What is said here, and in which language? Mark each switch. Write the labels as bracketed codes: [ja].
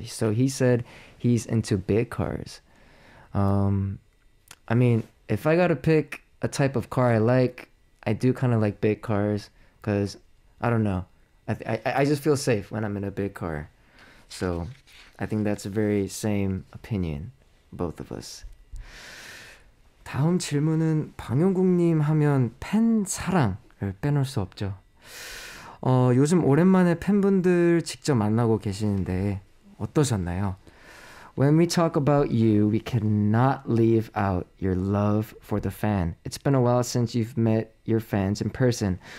[en] So he said he's into big cars. I mean, if I gotta pick a type of car I like, I do kind of like big cars because, I don't know, I just feel safe when I'm in a big car. So I think that's a very same opinion, both of us. [ko] 다음 질문은 방영국님 하면 팬 사랑을 빼놓을 수 없죠. 어, 요즘 오랜만에 팬분들 직접 만나고 계시는데 어떠셨나요? [en] When we talk about you, we cannot leave out your love for the fan. It's been a while since you've met your fans in person.